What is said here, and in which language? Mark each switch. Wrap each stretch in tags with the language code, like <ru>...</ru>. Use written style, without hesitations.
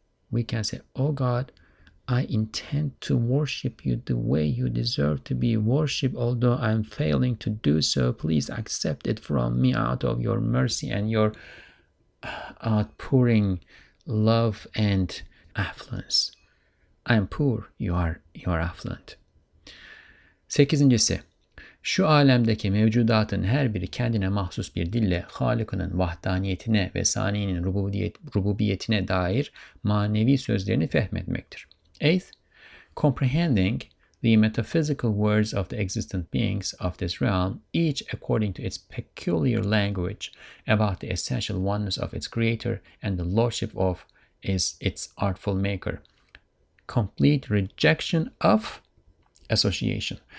<en>We can say, oh God, I intend to worship you the way you deserve to be worshipped, although I'm failing to do so. Please accept it from me out of your mercy and your outpouring love and affluence. I am poor, you are affluent.</en> <tr>Sekizincisi, şu alemdeki mevcudatın her biri kendine mahsus bir dille Halık'ının vahdaniyetine ve saniyenin rububiyetine dair manevi sözlerini fehmetmektir.</tr> <en>8th, comprehending the metaphysical words of the existent beings of this realm, each according to its peculiar language about the essential oneness of its creator and the lordship of its artful maker. Complete rejection of association.</en>